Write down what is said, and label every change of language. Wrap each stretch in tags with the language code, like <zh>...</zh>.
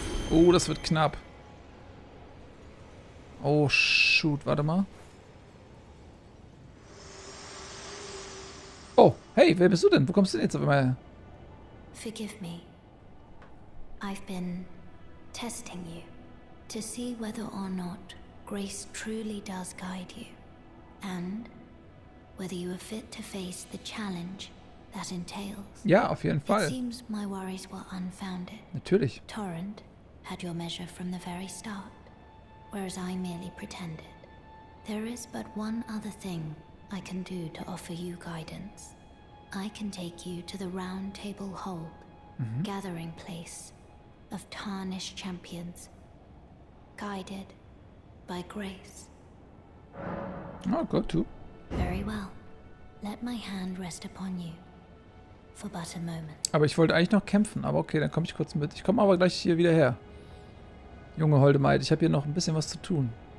<de>Oh, das wird knapp. Oh, shoot, warte mal. Oh, hey, wer bist du denn? Wo kommst du denn jetzt auf einmal her?</de> <en>Forgive me. I've been testing you to see whether or not grace truly does guide you and whether you are fit to face the challenge that entails.</en> <de>Ja, auf jeden Fall.</de> <en>It seems my worries were unfounded.</en> <de>Natürlich.</de> <en>Torrent had your measure from the very start, whereas I merely pretended. There is but one other thing I can do to offer you guidance. I can take you to the Round Table Hold, gathering place of tarnished champions, guided by grace. Oh, go to. Very well. Let my hand rest upon you for but a moment.</en> <de>Aber ich wollte eigentlich noch kämpfen, aber okay, dann komme ich kurz mit. Ich komme aber gleich hier wieder her. Junge Holdemaid, ich habe hier noch ein bisschen was zu tun.</de>